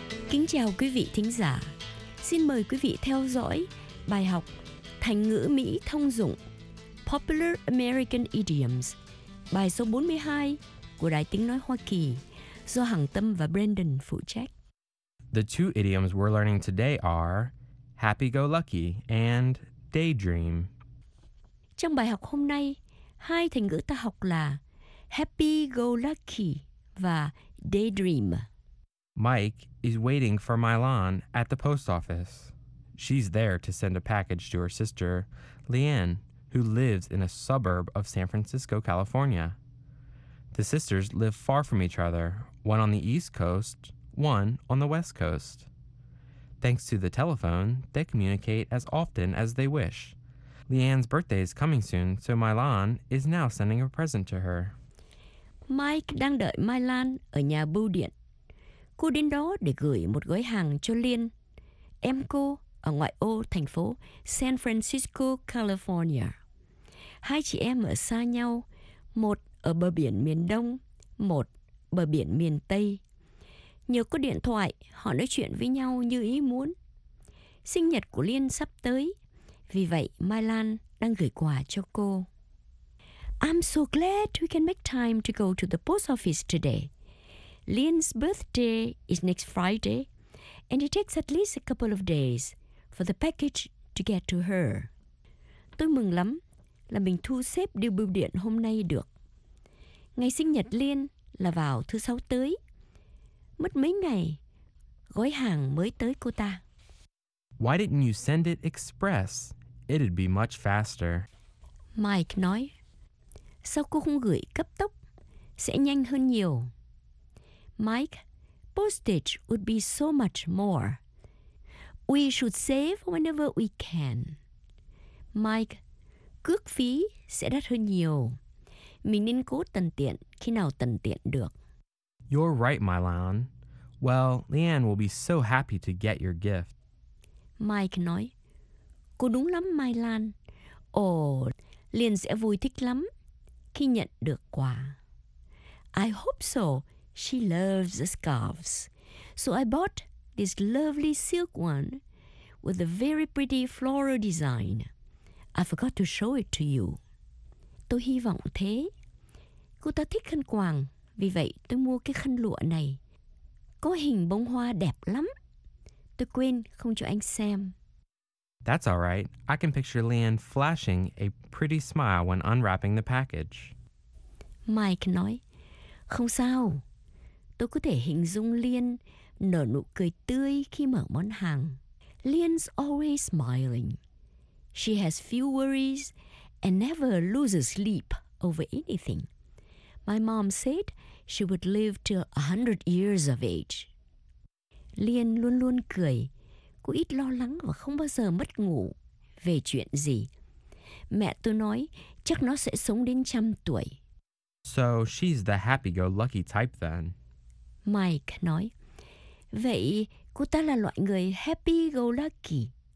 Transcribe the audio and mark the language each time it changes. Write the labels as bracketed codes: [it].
[vi] Kính chào quý vị thính giả. Xin mời quý vị theo dõi bài học Thành ngữ Mỹ thông dụng [en] Popular American Idioms, [vi] bài số 42 của Đài Tiếng Nói Hoa Kỳ do Hằng Tâm và Brandon phụ trách. [en] The two idioms we're learning today are happy-go-lucky and daydream. [vi] Trong bài học hôm nay, hai thành ngữ ta học là happy-go-lucky và daydream. [en] Mike is waiting for Mylon at the post office. She's there to send a package to her sister, Leanne, who lives in a suburb of San Francisco, California. The sisters live far from each other, one on the East Coast, one on the West Coast. Thanks to the telephone, they communicate as often as they wish. Leanne's birthday is coming soon, so Mylon is now sending a present to her. [vi] Mike đang đợi Mylon ở nhà bưu điện. Cô đến đó để gửi một gói hàng cho Liên, em cô ở ngoại ô thành phố San Francisco, California. Hai chị em ở xa nhau, một ở bờ biển miền Đông, một bờ biển miền Tây. Nhờ có điện thoại, họ nói chuyện với nhau như ý muốn. Sinh nhật của Liên sắp tới, vì vậy Mai Lan đang gửi quà cho cô. [en] I'm so glad we can make time to go to the post office today. Lin's birthday is next Friday, and it takes at least a couple of days for the package to get to her. [vi] Tôi mừng lắm là mình thu xếp điều bưu điện hôm nay được. Ngày sinh nhật Lin là vào thứ sáu tới. Mất mấy ngày, gói hàng mới tới cô ta. [en] Why didn't you send it express? It'd be much faster. [vi] Mike nói, sao cô không gửi cấp tốc? Sẽ nhanh hơn nhiều. [en] Mike, postage would be so much more. We should save whenever we can. [vi] Mike, cước phí sẽ đắt hơn nhiều. Mình nên cố tận tiện khi nào tận tiện được. [en] You're right, Mylon. Well, Leanne will be so happy to get your gift. [vi] Mike nói, cô đúng lắm, Mylon. Ồ, Leanne sẽ vui thích lắm khi nhận được quà. [en] I hope so. She loves the scarves. So I bought this lovely silk one with a very pretty floral design. I forgot to show it to you. [vi] Tôi hy vọng thế. Cô ta thích khăn quàng, vì vậy tôi mua cái khăn lụa này. Có hình bông hoa đẹp lắm. Tôi quên không cho anh xem. [en] That's all right. I can picture Leanne flashing a pretty smile when unwrapping the package. [vi] Mike nói, không sao. Tôi có thể hình dung Liên nở nụ cười tươi khi mở món hàng. [en] Liên's always smiling. She has few worries and never loses sleep over anything. My mom said she would live till 100 years of age. [vi] Liên luôn luôn cười. Cô ít lo lắng và không bao giờ mất ngủ về chuyện gì. Mẹ tôi nói chắc nó sẽ sống đến 100 tuổi. [en] So she's the happy-go-lucky type then. [vi] Mike nói, vậy cô ta là loại người happy-go-lucky.